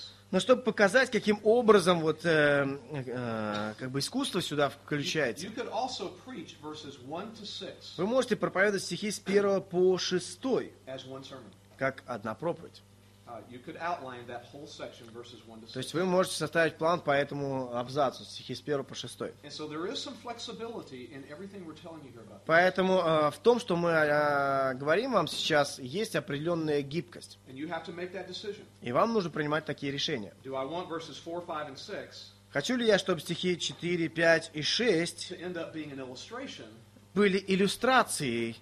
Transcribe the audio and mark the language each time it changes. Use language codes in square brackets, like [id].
[ru] Но чтобы показать, каким образом вот, как бы искусство сюда включается, вы можете проповедовать стихи с 1 по 6, как одна проповедь. [en] You could outline that whole section verses 1 to 6. [ru] То есть вы можете составить план по этому абзацу, стихи с 1 по 6. [en] And so there is some flexibility in everything we're telling you here about. [ru] Поэтому в том, что мы говорим вам сейчас, есть определенная гибкость. [en] And you have to make that decision. [ru] И вам нужно принимать такие решения. [en] Do I want verses 4, 5, and 6? [ru] Хочу ли я, чтобы стихи 4, 5 и 6 [en] to end up being an illustration? [ru] Были иллюстрацией